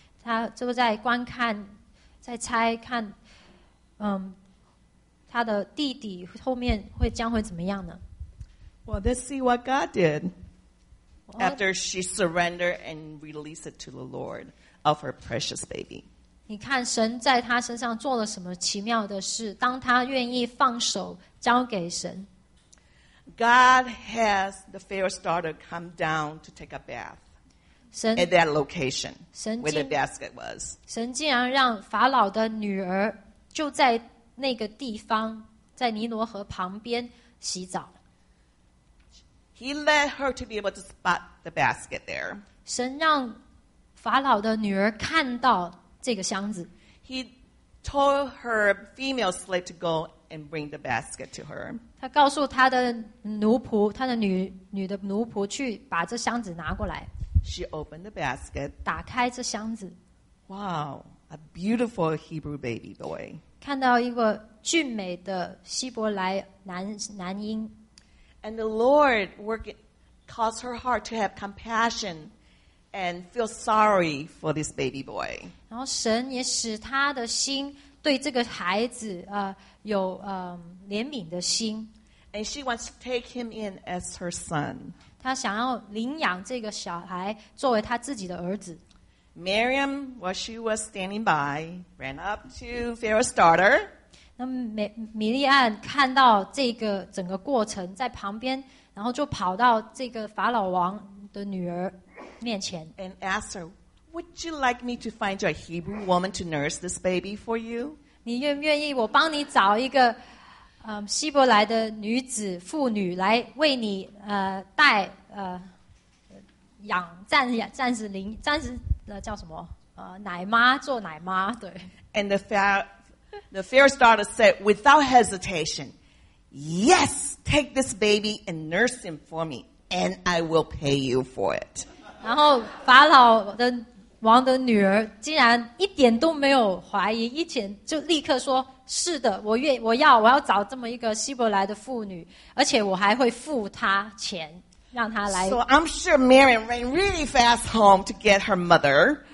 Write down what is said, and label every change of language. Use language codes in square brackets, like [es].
[zh] 他就在观看，在猜看，他的弟弟后面会将会怎么样呢 [en] ？Well, let's see what God did after she surrendered and released it to the Lord of her precious baby. [zh] 你看神在他身上做了什么奇妙的事？当他愿意放手交给神 [en] ，God has the Pharaoh's daughter come down to take a bath. [zh] 神 [en] at that location where the basket was. [zh] 神竟然让法老的女儿就在那个地方，在尼罗河旁边洗澡。 [en] He let her to be able to spot the basket there. [zh] 神让法老的女儿看到。这个箱子 [en] He told her female slave to go and bring the basket to her. [zh] 他告诉他的奴仆，他的女的奴仆去把这箱子拿过来。 [en] She opened the basket. [zh] 打开这箱子。 [en] Wow, a beautiful Hebrew baby boy. [zh] 看到一个俊美的希伯来男婴。 [en] And the Lord worked, caused her heart to have compassion. And feel sorry for this baby boy. [zh] 然后神也使他的心对这个孩子有怜悯的心。 [en] And she wants to take him in as her son. [zh] 她想要领养这个小孩作为她自己的儿子。 [en] Miriam, while she was standing by, ran up to Pharaoh's daughter. [zh] 那米利安看到这个整个过程在旁边，然后就跑到这个法老王的女儿。面前 [en] and asked her, "Would you like me to find you a Hebrew woman to nurse this baby for you?" [zh] 你愿不愿意我帮你找一个希伯来的女子妇女来为你带养暂时领暂时叫什么奶妈做奶妈对 [en] ？And the Pharaoh's daughter said without hesitation, "Yes, take this baby and nurse him for me, and I will pay you for it." [zh] 然后法老的王的女儿竟然一点都没有怀疑，一点就立刻说：“是的，我要找这么一个希伯来的妇女，而且我还会付她钱，让她来。” [en] So I'm sure Mary ran really fast home to get her mother.